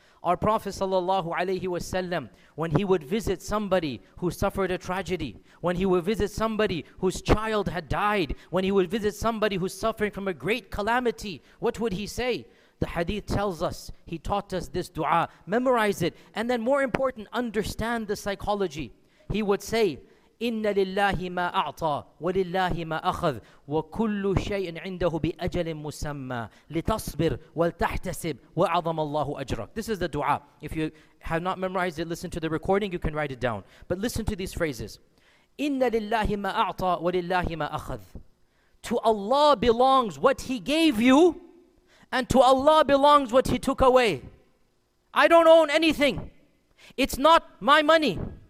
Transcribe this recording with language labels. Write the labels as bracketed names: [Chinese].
[English] Our Prophet sallallahu alayhi wa sallam, when he would visit somebody who suffered a tragedy, when he would visit somebody whose child had died, when he would visit somebody who's suffering from a great calamity, what would he say? The hadith tells us, he taught us this dua, memorize it, and then more important, understand the psychology. He would say, [Arabic] إِنَّ لِلَّهِ مَا أَعْطَى وَلِلَّهِ مَا أَخَذْ وَكُلُّ شَيْءٍ عِنْدَهُ بِأَجَلٍ مُسَمَّى لِتَصْبِرْ وَلْتَحْتَسِبْ وَعَظَمَ اللَّهُ أَجْرَكَ. [English] This is the dua. If you have not memorized it, listen to the recording, you can write it down. But listen to these phrases. [Arabic] إِنَّ لِلَّهِ مَا أَعْطَى وَلِلَّهِ مَا أَخَذْ. [English] To Allah belongs what He gave you, and to Allah belongs what He took away. I don't own anything. It's not my money.